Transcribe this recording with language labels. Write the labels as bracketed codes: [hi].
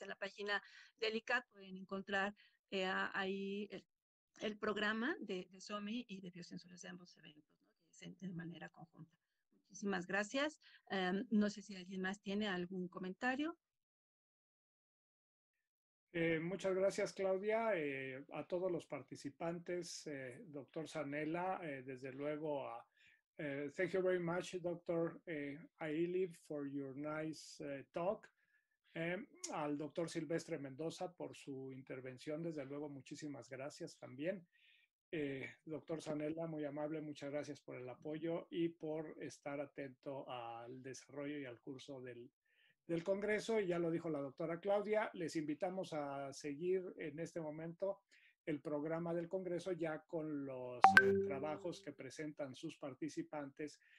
[es] En la página del ICAT pueden encontrar ahí el programa de SOMI y de biosensores de ambos eventos, ¿no? De manera conjunta. Muchísimas gracias. No sé si alguien más tiene algún comentario. Muchas gracias, Claudia. A todos los participantes, doctor Sanela, desde luego. [en] Thank you very much, doctor Aili, for your nice talk. [es] Al doctor Silvestre Mendoza por su intervención, desde luego, muchísimas gracias también. Doctor Sanela, muy amable, muchas gracias por el apoyo y por estar atento al desarrollo y al curso del Congreso. Y ya lo dijo la doctora Claudia, les invitamos a seguir en este momento el programa del Congreso ya con los trabajos que presentan sus participantes.